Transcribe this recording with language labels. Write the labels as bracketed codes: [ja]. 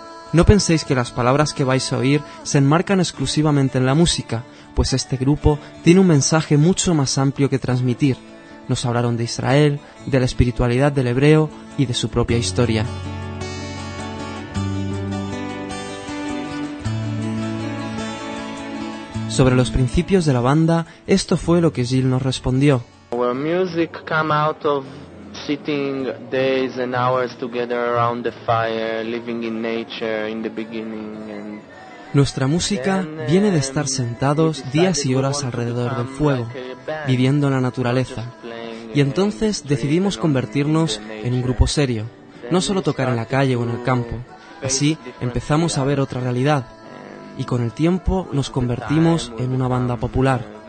[es] No penséis que las palabras que vais a oír se enmarcan exclusivamente en la música, pues este grupo tiene un mensaje mucho más amplio que transmitir. Nos hablaron de Israel, de la espiritualidad del hebreo y de su propia historia. Sobre los principios de la banda, esto fue lo que Gil nos respondió. [en] Our music came out of sitting days and hours together around the fire, living in nature in the beginning. [es] Nuestra música viene de estar sentados días y horas alrededor del fuego, viviendo la naturaleza. Y entonces decidimos convertirnos en un grupo serio, no solo tocar en la calle o en el campo. Así empezamos a ver otra realidad, y con el tiempo nos convertimos en una banda popular.